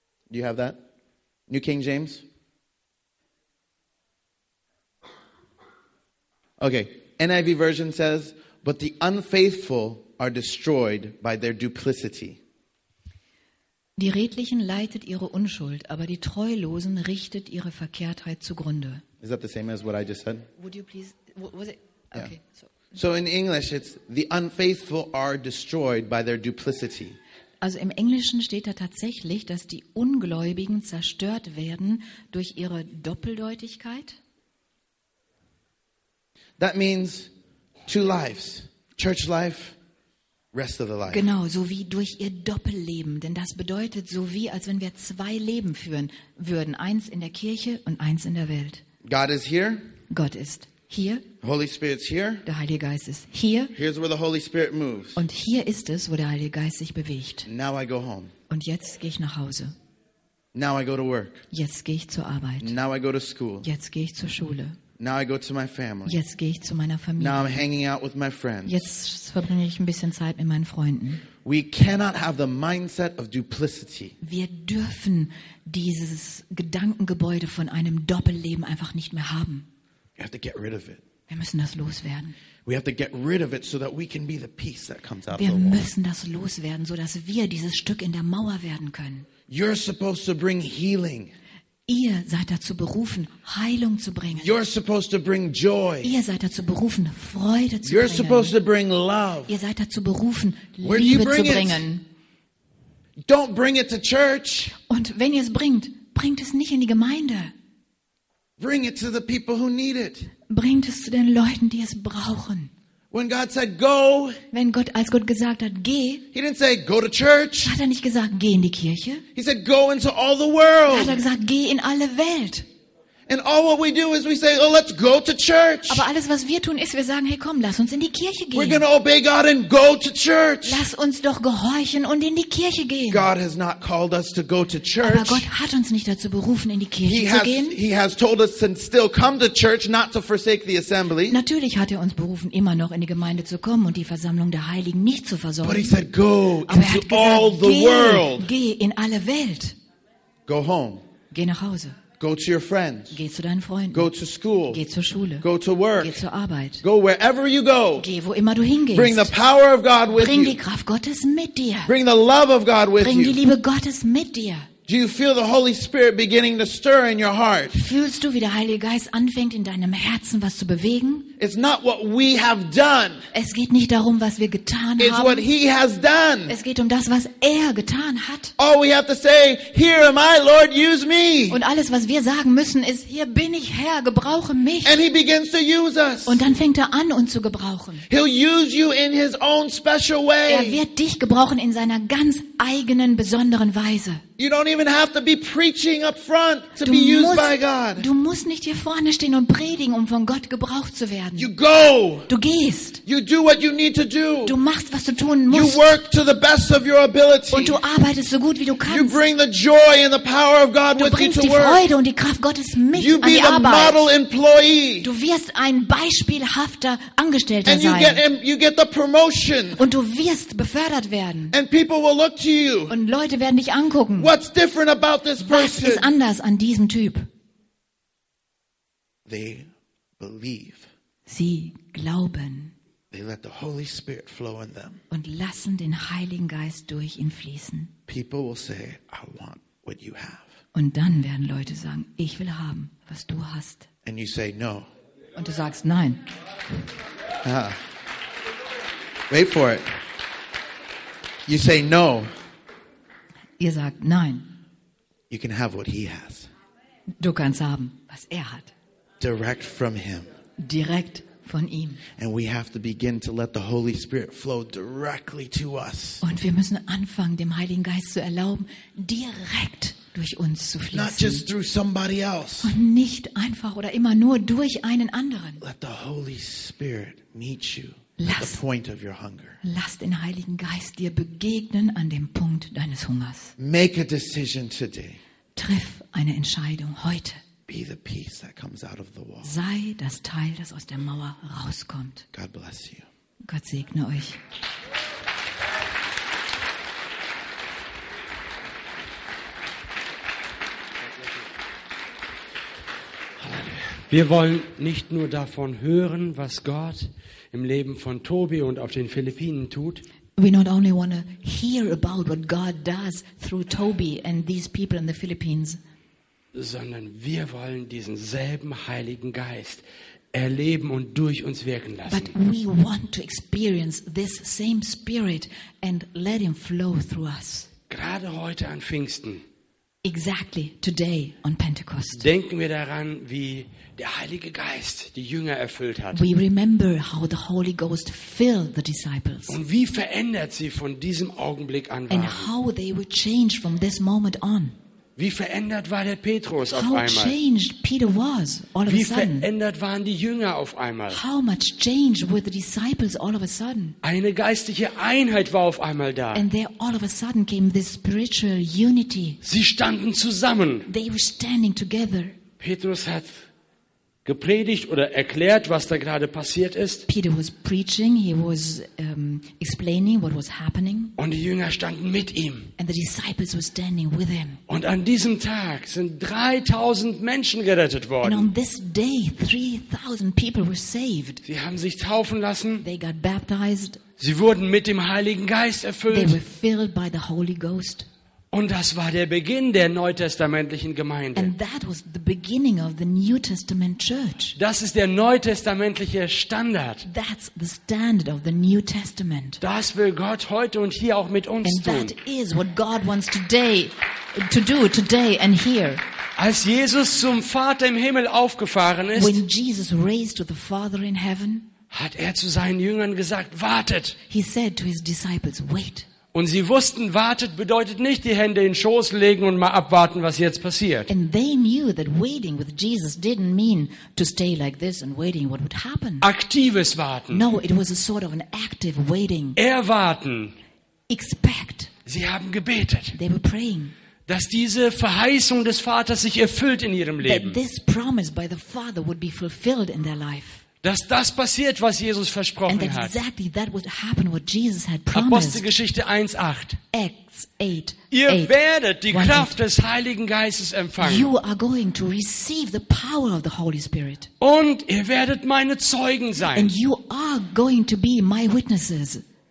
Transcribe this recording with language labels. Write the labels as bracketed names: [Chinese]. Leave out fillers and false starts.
[English] Do you have that? New King James? Okay, NIV version says, but the unfaithful are destroyed by their duplicity. [German] Die Redlichen leitet ihre Unschuld, aber die Treulosen richtet ihre Verkehrtheit zugrunde. [English] Is that the same as what I just said? Would you please... Was it? Okay, yeah. So in English it's the unfaithful are destroyed by their duplicity. [German] Also im Englischen steht da tatsächlich, dass die Ungläubigen zerstört werden durch ihre Doppeldeutigkeit. [English] That means two lives, church life, rest of the life. [German] Genau, so wie durch ihr Doppelleben, denn das bedeutet so wie als wenn wir zwei Leben führen würden, eins in der Kirche und eins in der Welt. [English] God is here? [German] Gott ist hier. [English] Holy Spirit's here. [German] Der Heilige Geist ist hier. [English] Here's where the Holy Spirit moves. [German] Und hier ist es, wo der Heilige Geist sich bewegt. [English] Now I go home. [German] Und jetzt gehe ich nach Hause. [English] Now I go to work. [German] Jetzt gehe ich zur Arbeit. [English] Now I go to school. [German] Jetzt gehe ich zur Schule. [English] Now I go to my family. [German] Jetzt gehe ich zu meiner Familie. [English] Now I'm hanging out with my friends. [German] Jetzt verbringe ich ein bisschen Zeit mit meinen Freunden. [English] We cannot have the mindset of duplicity. [German] Wir dürfen dieses Gedankengebäude von einem Doppelleben einfach nicht mehr haben. [English] We have to get rid of it. [German] Wir müssen das loswerden. [English] We have to get rid of it so that we can be the piece that comes out of the wall. [German] Wir müssen das loswerden, so dass wir dieses Stück in der Mauer werden können. [English] You're supposed to bring healing. [German] Ihr seid dazu berufen, Heilung zu bringen. [English] You're supposed to bring joy. [German] Ihr seid dazu berufen, Freude zu [English] You're [German] bringen. [English] Supposed to bring love. [German] Ihr seid dazu berufen, Liebe zu bringen. [English] Don't bring it to church. [German] Und wenn ihr es bringt, bringt es nicht in die Gemeinde. [English] Bring it to the people who need it. [German] Bringt es zu den Leuten, die es brauchen. [English] When God said, go, [German] wenn Gott, als Gott gesagt hat, geh, [English] he didn't say, go to church. [German] Hat er nicht gesagt, geh in die Kirche. [English] He said, go into all the world. [German] Hat er gesagt, geh in alle Welt. [English] And all what we do is we say, oh, let's go to church. [German] Aber alles, was wir tun, ist, wir sagen, hey, komm, lass uns in die Kirche gehen. [English] We're going to obey God and go to church. [German] Lass uns doch gehorchen und in die Kirche gehen. [English] God has not called us to go to church. [German] Aber Gott hat uns nicht dazu berufen, in die Kirche zu gehen. [English] He has told us to still come to church, not to forsake the assembly. [German] Natürlich hat er uns berufen, immer noch in die Gemeinde zu kommen und die Versammlung der Heiligen nicht zu versäumen. [English] But he said, go into [German] gesagt, [English] all the world. [German] Geh in alle Welt. [English] Go home. [German] Geh nach Hause. [English] Go to your friends. [German] Geh zu deinen Freunden. [English] Go to school. [German] Geh zur Schule. [English] Go to work. [German] Geh zur Arbeit. [English] Go wherever you go. [German] Geh wo immer du hingehst. [English] Bring the power of God with you. [German] Bring die Kraft Gottes mit dir. [English] Bring the love of God with you. [German] Bring die Liebe Gottes mit dir. [English] Do you feel the Holy Spirit beginning to stir in your heart? [German] Fühlst du, wie der Heilige Geist anfängt in deinem Herzen was zu bewegen? [English] It's not what we have done. [German] Es geht nicht darum, was wir getan haben. [English] It's what He has done. [German] Es geht um das, was Er getan hat. [English] All we have to say, here am I, Lord, use me. [German] Und alles, was wir sagen müssen, ist, hier bin ich, Herr, gebrauche mich. [English] And He begins to use us. [German] Und dann fängt er an, uns zu gebrauchen. [English] He'll use you in His own special way. [German] Er wird dich gebrauchen in seiner ganz eigenen, besonderen Weise. [English] You don't even have to be preaching up front to be used by God. [German] Du musst nicht hier vorne stehen und predigen, um von Gott gebraucht zu werden. [English] You go. [German] Du gehst. [English] You do what you need to do. [German] Du machst, was du tun musst. [English] You work to the best of your ability. [German] Und du arbeitest so gut wie du kannst. [English] You bring the joy and the power of God with you to work. [German] Du bringst die Freude und die Kraft Gottes mit an die Arbeit. [English] You be the model employee. [German] Du wirst ein beispielhafter Angestellter sein. [English] And you get the promotion. [German] Und du wirst befördert werden. [English] And people will look to you. [German] Und Leute werden dich angucken. [English] What's different about this person? [German] Was ist anders an diesem Typ? [English] They believe. [German] Sie glauben. [English] They let the Holy Spirit flow in them. [German] Und lassen den Heiligen Geist durch ihn fließen. [English] People will say, I want what you have. [German] Und dann werden Leute sagen, ich will haben, was du hast. [English] And you say no. [German] Und du sagst nein. [English] Wait for it. You say no. [German] Ihr sagt nein. [English] You can have what he has. [German] Du kannst haben, was er hat. [English] Direct from him. [German] Direkt von ihm. [English] And we have to begin to let the Holy Spirit flow directly to us. [German] Und wir müssen anfangen, dem Heiligen Geist zu erlauben, direkt durch uns zu fließen. [English] Not just through somebody else. [German] Und nicht einfach oder immer nur durch einen anderen. [English] Let the Holy Spirit meet you. At the point of your hunger. [German] Lass den Heiligen Geist dir begegnen an dem Punkt deines Hungers. [English] Make a decision today. [German] Triff eine Entscheidung heute. [English] Be the piece that comes out of the wall. [German] Sei das Teil, das aus der Mauer rauskommt. [English] God bless you. [German] Gott segne euch. Wir wollen nicht nur davon hören, was Gott im Leben von Tobi und auf den Philippinen tut. [English] We not only want to hear about what God does through Toby and these people in the Philippines, [German] sondern wir wollen diesen selben Heiligen Geist erleben und durch uns wirken lassen. [English] But we want to experience this same spirit and let him flow through us. [German] Gerade heute an Pfingsten. [English] Exactly today on Pentecost. [German] Denken wir daran, wie der Heilige Geist die Jünger erfüllt hat. [English] We remember how the Holy Ghost filled the disciples. [German] Und wie verändert sie von diesem Augenblick an waren. [English] And how they were changed from this moment on. [German] Wie verändert war der Petrus [English] how [German] auf einmal? [English] How changed Peter was all of [German] wie [English] a sudden. [German] Wie verändert waren die Jünger auf einmal? [English] How much changed were the disciples all of a sudden? [German] Eine geistliche Einheit war auf einmal da. [English] And there all of a sudden came this spiritual unity. [German] Sie standen zusammen. [English] They were standing together. [German] Petrus hat gepredigt oder erklärt, was da gerade passiert ist. [English] Peter was preaching, he was explaining what was happening. [German] Und die Jünger standen mit ihm. [English] And the disciples were standing with him. [German] Und an diesem Tag sind 3000 Menschen gerettet worden. [English] And on this day 3000 people were saved. [German] Sie haben sich taufen lassen. [English] They got baptized. [German] Sie wurden mit dem Heiligen Geist erfüllt. [English] They were filled by the Holy Ghost. [German] Und das war der Beginn der neutestamentlichen Gemeinde. [English] And that was the beginning of the New Testament church. [German] Das ist der neutestamentliche Standard. [English] That's the standard of the New Testament. [German] Das will Gott heute und hier auch mit uns [English] and [German] tun. [English] And that is what God wants today to do today and here. [German] Als Jesus zum Vater im Himmel aufgefahren ist, [English] when Jesus raised to the Father in heaven, [German] hat er zu seinen Jüngern gesagt, wartet. [English] He said to his disciples, wait. [German] Und sie wussten, wartet bedeutet nicht die Hände in den Schoß legen und mal abwarten, was jetzt passiert. [English] And they knew that waiting with Jesus didn't mean to stay like this and waiting what would happen. [German] Aktives Warten. [English] No, it was a sort of an active waiting. [German] Erwarten. [English] Expect. [German] Sie haben gebetet. [English] They were praying. [German] Dass diese Verheißung des Vaters sich erfüllt in ihrem Leben. [English] That this promise by the Father would be fulfilled in their life. [German] Dass das passiert, was Jesus versprochen [English] and that exactly that would happen, what Jesus had promised. [German] Apostelgeschichte 1:8. [English] Acts 8. [German] Ihr werdet die Kraft des Heiligen Geistes empfangen. [English] You are going to receive the power of the Holy Spirit. [German] Und ihr werdet meine Zeugen sein. [English] And you are going to be my witnesses.